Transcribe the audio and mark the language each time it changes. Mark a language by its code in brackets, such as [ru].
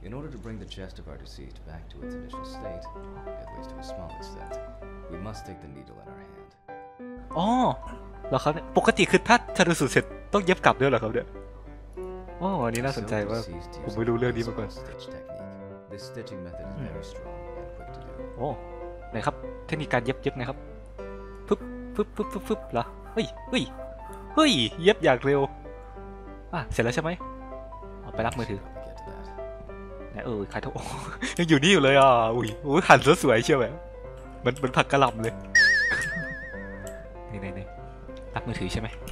[en] In order to bring the chest of our deceased back to its initial state at least to a small extent we must take the needle in our hand [th] อ๋อแล้วครับปกติคือถ้าชันสูตรเสร็จต้องเย็บกลับด้วยเหรอครับเนี่ยอ๋ออันนี้น่าสนใจว่าผมไม่รู้เรื่องนี้มาก่อน [en] This stitching method is very strong and quick to do [th] โอ้ไหนครับเทคนิคการเย็บๆไงครับปึ๊บปึ๊บปึ๊บปึ๊บปึ๊บเหรอเฮ้ยเฮ้ยเฮ้ยเย็บอย่างเร็วเสร็จแล้วใช่ไหมไปรับมือถือไหนขายทองยังอยู่นี่อยู่เลยอุ้ยหันสวยเชียวแบบมันผักกะหล่ำเลยไหนรับมือถือใช่ไหม